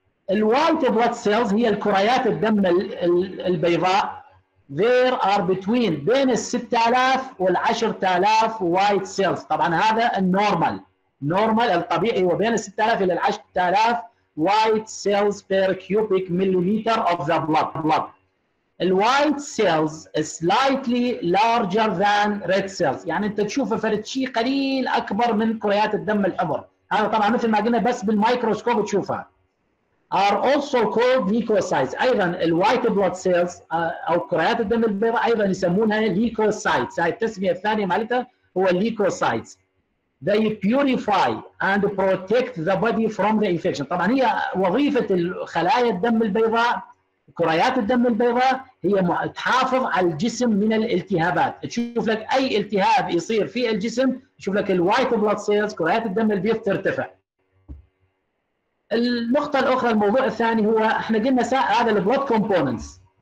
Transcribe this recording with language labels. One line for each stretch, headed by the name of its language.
Arabic: الوايت بلاد سيلز هي الكريات الدم البيضاء،
English: there are between
Arabic: بين ال 6000 وال 10000 وايت سيلز، طبعا هذا النورمال، نورمال الطبيعي هو بين ال 6000 الى ال 10000 وايت سيلز بير كيوبيك مليمتر اوف ذا بلاد.
English: الوايت cells slightly larger than red cells,
Arabic: يعني انت تشوفه فرد شيء قليل اكبر من كريات الدم الحمر، هذا طبعا مثل ما قلنا بس بالمايكروسكوب تشوفها.
English: Are also called leukocytes.
Arabic: أيضا ال white blood cells أو كريات الدم البيضاء أيضا يسمونها leukocytes. هاي التسمية الثانية مالتها هو leukocytes.
English: They purify and protect the body from the infection.
Arabic: طبعا هي وظيفة الخلايا الدم البيضاء، كريات الدم البيضاء هي تحافظ على الجسم من الالتهابات. تشوف لك أي التهاب يصير في الجسم، تشوف لك ال white blood cells كريات الدم البيضاء ترتفع. النقطة الأخرى، الموضوع الثاني هو احنا قلنا هذا البلود كومبوننتس.